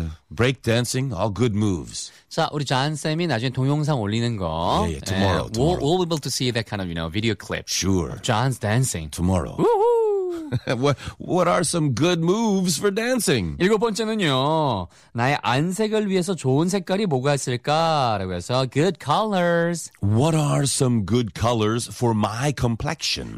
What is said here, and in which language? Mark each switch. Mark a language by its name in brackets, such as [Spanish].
[English] Break dancing, all good moves. [Korean] 자, 우리 잔 쌤이 나중에 동영상 올리는 거. [English] Yeah, tomorrow. We'll be able to see that kind of, you know, video clip. Sure. John's dancing tomorrow. Woohoo! What are some good moves for dancing? [Korean] 일곱 번째는요. 나의 안색을 위해서 좋은 색깔이 뭐가 있을까라고 해서 [English] good colors. What are some good colors for my complexion?